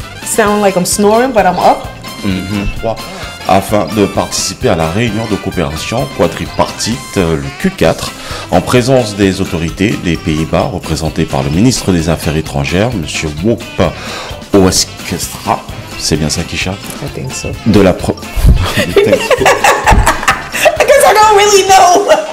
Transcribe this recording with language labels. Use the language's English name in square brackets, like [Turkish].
[English] Sound like I'm snoring, but I'm up? [French] Mm-hmm. Trois. Afin de participer à la réunion de coopération quadripartite, le Q4, en présence des autorités des Pays-Bas, représentées par le ministre des Affaires étrangères, M. Wop Oeskestra. C'est bien ça, Kisha? [English] I think so. [French] De la pro... [English] Because I don't really know!